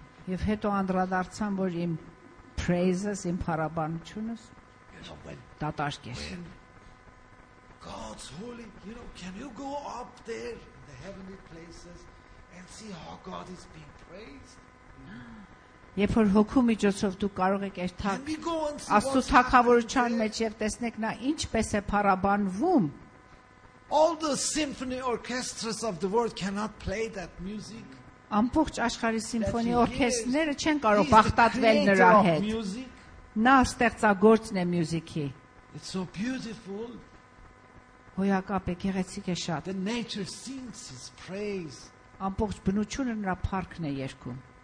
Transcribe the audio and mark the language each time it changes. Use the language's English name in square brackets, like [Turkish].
[Armenian] Եվ հետո անդրադարձան, որ իմ praises, իմ փառաբանությունս դատարկ է։ [English] God's holy, you know, can you go up there in the heavenly places and see how God is being praised? [Armenian] Երբ որ հոգու միջոցով դու կարող ես թաք Աստծո թակավորության մեջ եւ տեսնեք նա ինչպես է փառաբանվում. [English] All the symphony orchestras of the world cannot play that music. [Armenian] Ամբողջ աշխարհի սիմֆոնի օրկեստրները չեն կարող բախտատվել նրա հետ։ Նա ստեղծագործն է մյուզիկի։ [English] It's so beautiful. [Armenian] Հոյակապ է, գեղեցիկ է շատ։ [English] The nature sings his praise. [Armenian] Ամբողջ բնությունը նրա փառքն է երգում։